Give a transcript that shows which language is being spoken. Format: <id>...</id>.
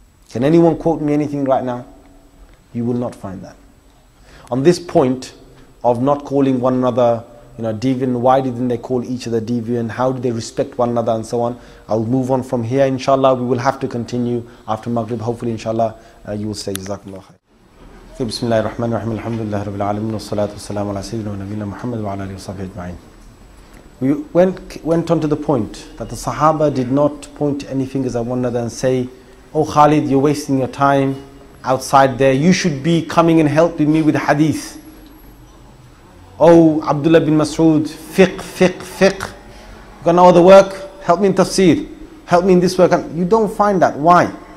<en>Can anyone quote me anything right now? You will not find that. On this point of not calling one another, you know, deviant, why didn't they call each other deviant? How did they respect one another and so on? I'll move on from here, inshallah. We will have to continue after Maghrib. Hopefully, inshallah, you will say, Jazakallah khair.</en> <ar>بسم الله الرحمن الرحيم الحمد لله رب العالمين والصلاة والسلام على سيدنا ونبينا محمد وعلى آله وصحبه أجمعين.</ar> <en>We went on to the point that the Sahaba did not point any fingers at one another and say, "Oh Khalid, you're wasting your time outside there. You should be coming and helping me with hadith." Oh Abdullah bin Mas'ud, fiqh. You got all the work. Help me in tafsir. Help me in this work. You don't find that. Why?</en>